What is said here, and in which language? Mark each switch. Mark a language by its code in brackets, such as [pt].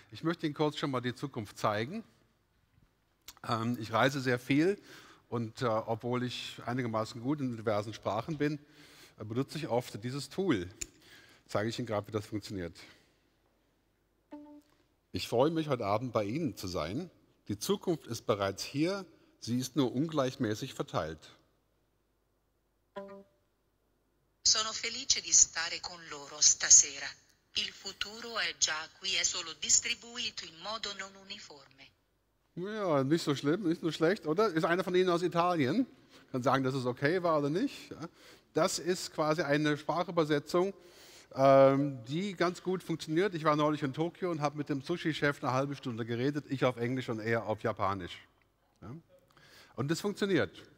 [de] Ich möchte Ihnen kurz schon mal die Zukunft zeigen. Ich reise sehr viel und obwohl ich einigermaßen gut in diversen Sprachen bin, benutze ich oft dieses Tool. Zeige ich Ihnen gerade, wie das funktioniert. Ich freue mich, heute Abend bei Ihnen zu sein. Die Zukunft ist bereits hier, sie ist nur ungleichmäßig verteilt. [it] Sono felice di stare con loro stasera. Il futuro è già qui, è solo distribuito in modo non uniforme. [de] Ja, nicht so schlimm, nicht so schlecht, oder? Ist einer von Ihnen aus Italien? Kann sagen, dass es okay war oder nicht. Das ist quasi eine Sprachübersetzung, die ganz gut funktioniert. Ich war neulich in Tokio und habe mit dem Sushi-Chef eine halbe Stunde geredet. Ich auf Englisch und er auf Japanisch. Und das funktioniert.